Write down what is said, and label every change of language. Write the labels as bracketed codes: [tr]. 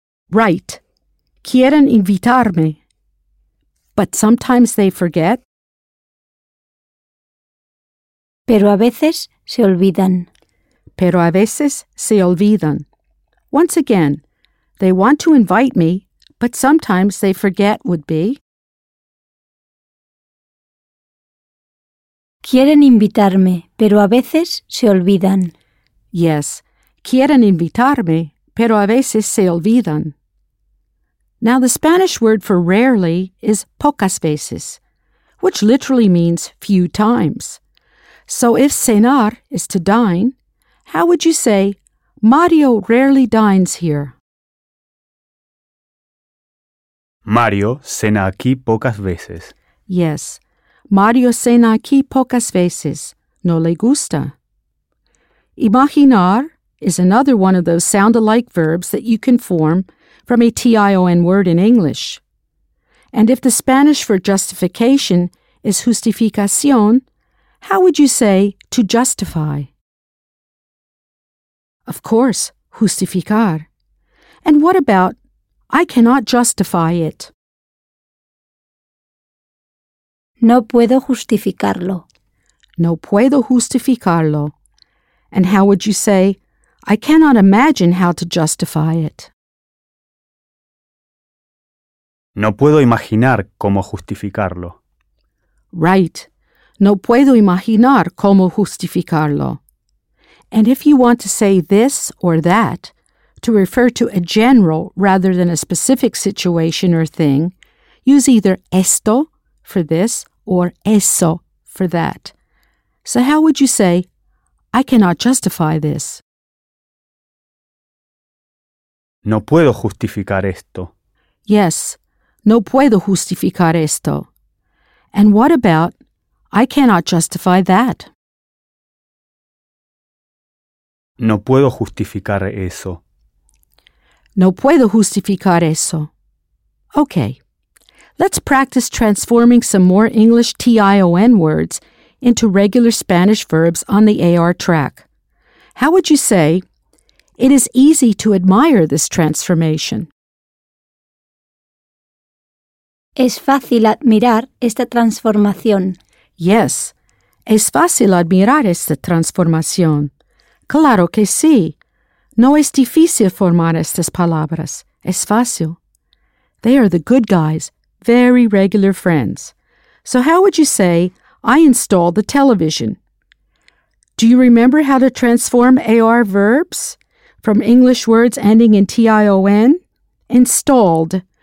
[en] Right. [es] Quieren invitarme. [en] But sometimes they forget. [es] Pero a veces se olvidan. Pero a veces se olvidan. [en] Once again, they want to invite me, but sometimes they forget would be. [es] Quieren invitarme, pero a veces se olvidan. [en] Yes. [es] Quieren invitarme, pero a veces se olvidan. [en] Now, the Spanish word for rarely is pocas veces, which literally means few times. So if cenar is to dine, how would you say, Mario rarely dines here? [es] Mario cena aquí pocas veces. [en] Yes. [es] Mario cena aquí pocas veces. No le gusta. [en] Imaginar is another one of those sound-alike verbs that you can form from a T-I-O-N word in English. And if the Spanish for justification is justificación, how would you say to justify? Of course, justificar. And what about, I cannot justify it? [es] No puedo justificarlo. No puedo justificarlo. [en] And how would you say, I cannot imagine how to justify it? [es] No puedo imaginar cómo justificarlo. [en] Right. [es] No puedo imaginar cómo justificarlo. [en] And if you want to say this or that, to refer to a general rather than a specific situation or thing, use either esto for this or eso for that. So how would you say, I cannot justify this? [es] No puedo justificar esto. [en] Yes. [es] No puedo justificar esto. [en] And what about, I cannot justify that? [es] No puedo justificar eso. No puedo justificar eso. [en] Okay, let's practice transforming some more English T-I-O-N words into regular Spanish verbs on the AR track. How would you say, it is easy to admire this transformation? [es] Es fácil admirar esta transformación. Yes, es fácil admirar esta transformación. Claro que sí. No es difícil formar estas palabras. Es fácil. [en] They are the good guys, very regular friends. So how would you say, I installed the television? Do you remember how to transform AR verbs from English words ending in T-I-O-N? Installed.